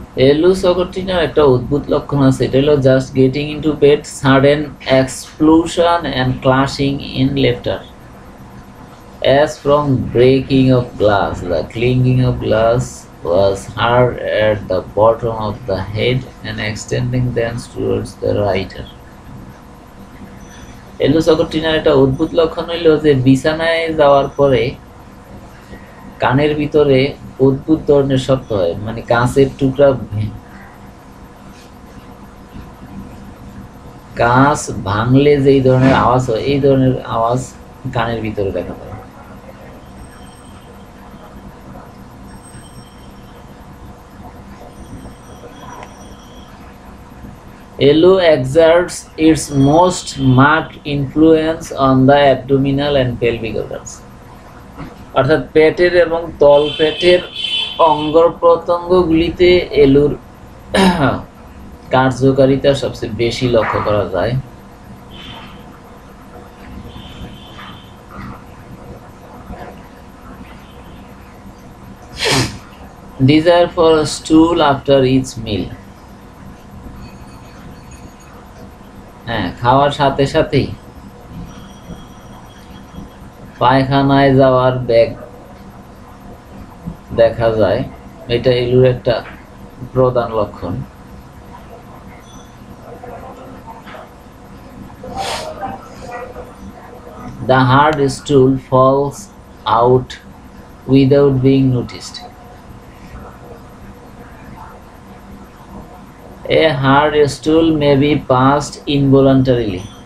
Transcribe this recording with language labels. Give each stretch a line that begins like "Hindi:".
Bangla: এলোসকট্রিনার একটা অদ্ভুত লক্ষণ আছে, এটা হলো
English: Just getting in to bed sudden explosion and clashing in left ear as from breaking of glass, the clinking of glass was heard at the bottom of the head and extending thence towards the writer.
Bangla: এলোসকোট্রিনার একটা অদ্ভুত লক্ষণ হইল যে বিছানায় যাওয়ার পরে কানের ভিতরে অদ্ভুত ধরনের শব্দ হয়, মানে কাঁচের টুকরা কাঁচ ভাঙলে যে ধরনের আওয়াজ হয়, এই ধরনের আওয়াজ কানের ভিতরে দেখা যায়।
English: Aloe exerts its most marked influence on the abdominal and pelvic organs.
Bangla: অর্থাৎ পেটের এবং তলপেটের অঙ্গপ্রত্যঙ্গগুলিতে এলোর কার্যকারিতা সবচেয়ে বেশি লক্ষ্য করা যায়।
English: Desire for a stool after each meal.
Bangla: হ্যাঁ, খাওয়ার সাথে সাথেই পায়খানায় যাওয়ার বেগ দেখা যায়, এটা এলোর একটা প্রধান লক্ষণ।
English: The hard stool falls out without being noticed. A hard stool may be passed involuntarily.